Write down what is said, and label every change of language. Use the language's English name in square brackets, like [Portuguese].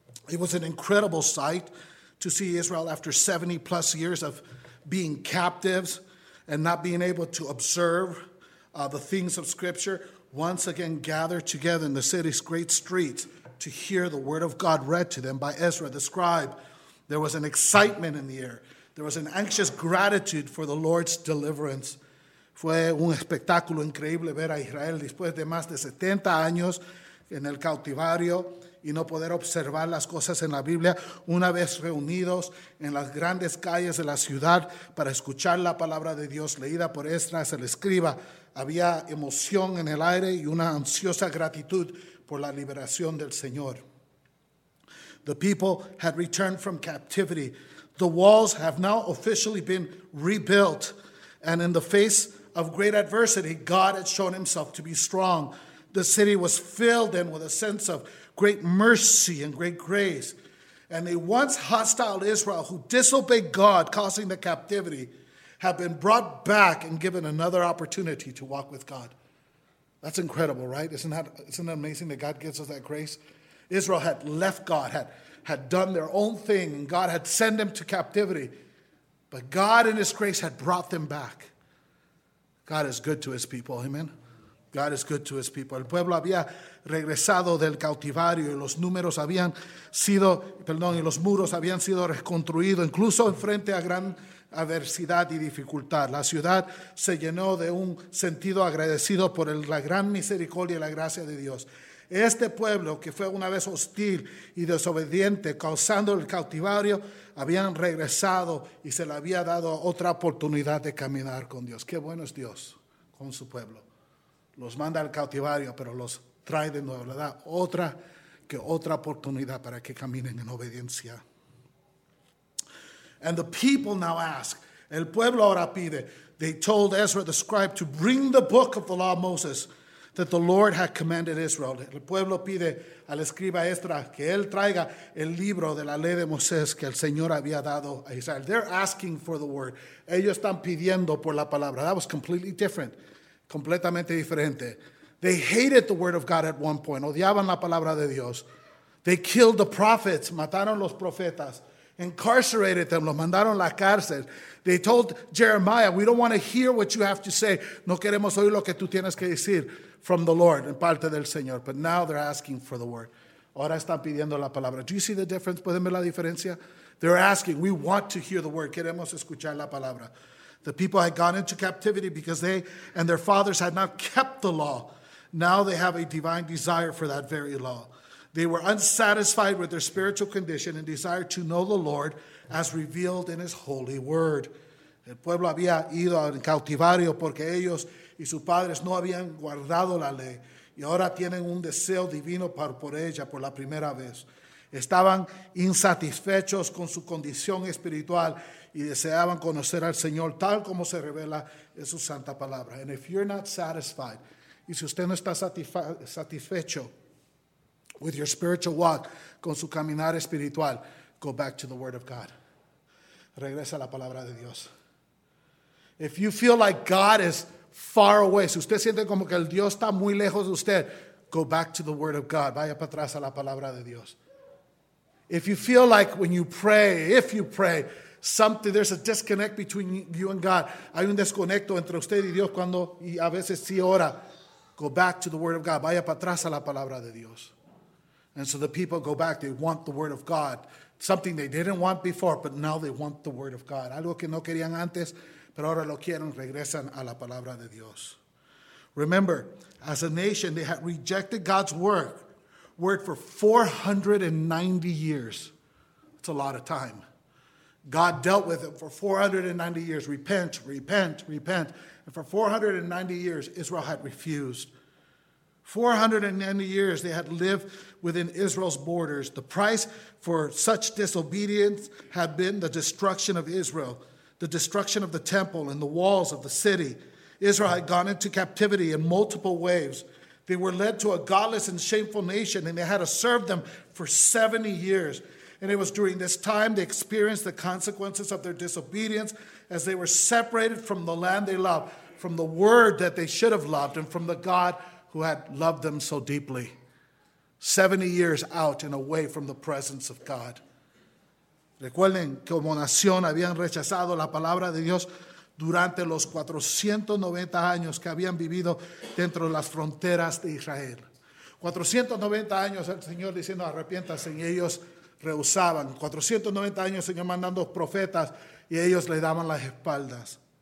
[English] It was an incredible sight to see Israel after 70 plus years of being captives and not being able to observe the things of Scripture, once again gathered together in the city's great streets to hear the word of God read to them by Ezra the scribe. There was an excitement in the air. There was an anxious gratitude for the Lord's deliverance. [Spanish] Fue un espectáculo increíble ver a Israel después de más de 70 años en el cautivario y no poder observar las cosas en la Biblia, una vez reunidos en las grandes calles de la ciudad para escuchar la palabra de Dios leída por Esdras el escriba. Había emoción en el aire y una ansiosa gratitud por la liberación del Señor. [English] The people had returned from captivity. The walls have now officially been rebuilt, and in the face of great adversity, God had shown himself to be strong. The city was filled in with a sense of great mercy and great grace, and the once hostile Israel who disobeyed God, causing the captivity, have been brought back and given another opportunity to walk with God. That's incredible, right? Isn't that amazing that God gives us that grace? Israel had left God, had done their own thing, and God had sent them to captivity. But God in his grace had brought them back. God is good to his people, amen? God is good to his people. [Spanish] El pueblo había regresado del cautivario y los muros habían sido reconstruidos, incluso enfrente a gran adversidad y dificultad. La ciudad se llenó de un sentido agradecido por la gran misericordia y la gracia de Dios. Este pueblo, que fue una vez hostil y desobediente, causando el cautivario, habían regresado y se le había dado otra oportunidad de caminar con Dios. Qué bueno es Dios con su pueblo. Los manda al cautivario, pero los trae de nuevo. Le da otra oportunidad para que caminen en obediencia. [English] And the people now ask. [Spanish] El pueblo ahora pide. [English] They told Ezra the scribe to bring the book of the law of Moses that the Lord had commanded Israel. [Spanish] El pueblo pide al escriba Ezra que él traiga el libro de la ley de Moisés que el Señor había dado a Israel. They're asking for the word. Ellos están pidiendo por la palabra. [English] That was completely different. [Spanish] Completamente diferente. [English] They hated the word of God at one point. [Spanish] Odiaban la palabra de Dios. [English] They killed the prophets. [Spanish] Mataron los profetas. [English] Incarcerated them. [Spanish] Los mandaron a la cárcel. [English] They told Jeremiah, we don't want to hear what you have to say. [Spanish] No queremos oír lo que tú tienes que decir [English] from the Lord, [Spanish] en parte del Señor. [English] But now they're asking for the word. [Spanish] Ahora están pidiendo la palabra. [English] Do you see the difference? [Spanish] ¿Pueden ver la diferencia? [English] They're asking, we want to hear the word. [Spanish] Queremos escuchar la palabra. [English] The people had gone into captivity because they and their fathers had not kept the law. Now they have a divine desire for that very law. They were unsatisfied with their spiritual condition and desired to know the Lord as revealed in his holy word. [Spanish] El pueblo había ido en cautivario porque ellos y sus padres no habían guardado la ley. Y ahora tienen un deseo divino por ella por la primera vez. Estaban insatisfechos con su condición espiritual y deseaban conocer al Señor tal como se revela en su santa palabra. [English] And if you're not satisfied, [Spanish] y si usted no está satisfecho [English] with your spiritual walk, [Spanish] con su caminar espiritual, [English] go back to the Word of God. [Spanish] Regresa a la palabra de Dios. [English] If you feel like God is far away, [Spanish] si usted siente como que el Dios está muy lejos de usted, [English] go back to the Word of God. [Spanish] Vaya para atrás a la palabra de Dios. [English] If you feel like when you pray, if you pray, something, there's a disconnect between you and God. [Spanish] Hay un desconecto entre usted y Dios cuando, y a veces sí ora. [English] Go back to the Word of God. [Spanish] Vaya para atrás a la palabra de Dios. [English] And so the people go back. They want the Word of God. Something they didn't want before, but now they want the Word of God. [Spanish] Algo que no querían antes, pero ahora lo quieren. Regresan a la palabra de Dios. [English] Remember, as a nation, they had rejected God's word for 490 years. That's a lot of time. God dealt with it for 490 years. Repent, repent, repent. And for 490 years, Israel had refused. 490 years they had lived within Israel's borders. The price for such disobedience had been the destruction of Israel, the destruction of the temple and the walls of the city. Israel had gone into captivity in multiple waves. They were led to a godless and shameful nation, and they had to serve them for 70 years. And it was during this time they experienced the consequences of their disobedience as they were separated from the land they loved, from the word that they should have loved, and from the God who had loved them so deeply. 70 years out and away from the presence of God. [Spanish] Recuerden, como nación habían rechazado la palabra de Dios durante los 490 años que habían vivido dentro de las fronteras de Israel. 490 años el Señor diciendo arrepiéntanse y ellos rehusaban. 490 años el Señor mandando profetas y ellos le daban las espaldas.